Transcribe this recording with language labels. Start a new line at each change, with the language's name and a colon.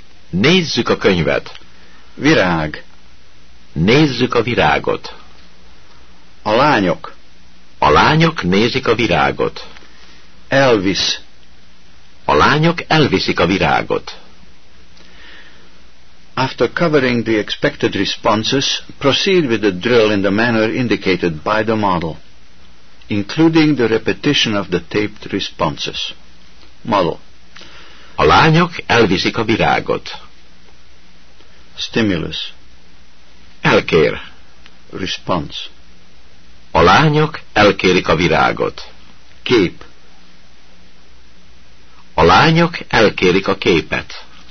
Hungarian: Nézzük a könyvet. Virág. Nézzük a virágot. A lányok. A lányok nézik a virágot. Elvisz. A lányok elviszik a virágot.
English: After covering the expected responses, proceed with the drill in the manner indicated by the model, including the repetition of the taped responses. Model.
Hungarian: A lányok elviszik a virágot.
English: Stimulus.
Hungarian: Elkér.
English: Response.
Hungarian: A lányok elkérik a virágot. Kép. A lányok elkérik a képet.